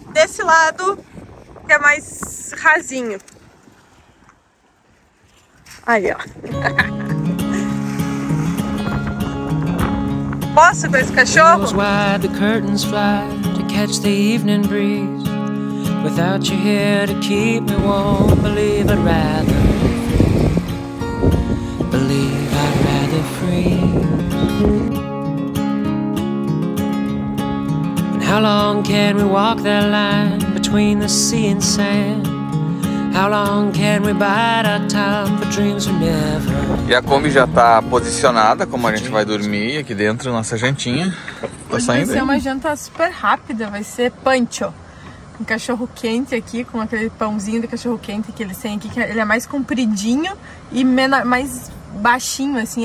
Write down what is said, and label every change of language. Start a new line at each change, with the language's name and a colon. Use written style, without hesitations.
Portuguese: Desse lado, que é mais rasinho. Aí, ó. Posso com esse cachorro?
English: Close wide, the curtains fly to catch the evening breeze. Without you here to keep me warm, believe I'd rather freeze. Believe I'd rather freeze. How long can we walk that line between the sea and sand? How long can we bide our time for dreams we never?
Portuguese: E a Kombi já tá posicionada, como a gente vai dormir aqui dentro, nossa jantinha. Tá saindo. Vai ser uma janta super rápida, vai ser pancho. Um cachorro quente aqui, com aquele pãozinho de cachorro quente que eles têm aqui, que ele é mais compridinho e menor, mais baixinho, assim.